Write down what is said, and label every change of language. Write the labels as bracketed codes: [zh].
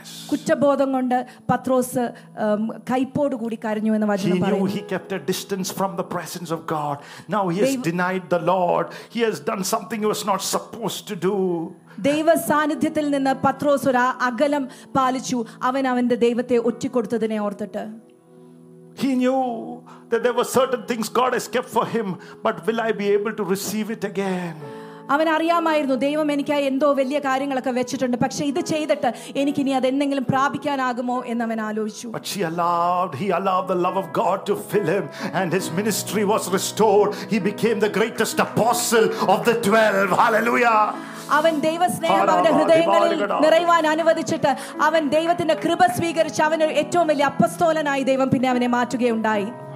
[ml] കുറ്റബോധം കൊണ്ട് പത്രോസ് കൈപ്പോടുകൂടി കരഞ്ഞു എന്ന് വചനം പറയുന്നു. [en] He kept a distance from the presence of God. Now he has denied the Lord. He has done something he was not supposed to do. [ml] ദൈവ സാന്നിധ്യത്തിൽ നിന്ന് പത്രോസ് ഒരു അകലം പാലിച്ചു. അവൻ അവന്റെ ദൈവത്തെ ഒറ്റിക്കൊടുത്തതിനെ ഓർത്തിട്ട്. [en] He knew that there were certain things God has kept for him, but will I be able to receive it again? [ml] അവൻ അറിയാമായിരുന്നു ദൈവം എനിക്കായി എന്തോ വലിയ കാര്യങ്ങളൊക്കെ വെച്ചിട്ടുണ്ട്, പക്ഷേ ഇത് ചെയ്തിട്ട് എനിക്ക് ഇനി അതെന്തെങ്കിലും പ്രാപിക്കാനാകുമോ എന്ന് അവൻ ആലോചിച്ചു. [en] But she allowed, he allowed the love of God to fill him and his ministry was restored. He became the greatest apostle of the 12. Hallelujah. [ml] അവൻ ദൈവസ്നേഹം അവന്റെ ഹൃദയങ്ങളിൽ നിറയുവാൻ അനുവദിച്ചിട്ട് അവൻ ദൈവത്തിന്റെ കൃപ സ്വീകരിച്ച് അവന് ഏറ്റവും വലിയ അപ്പസ്തോലനായി ദൈവം പിന്നെ അവനെ മാറ്റുകയുണ്ടായി.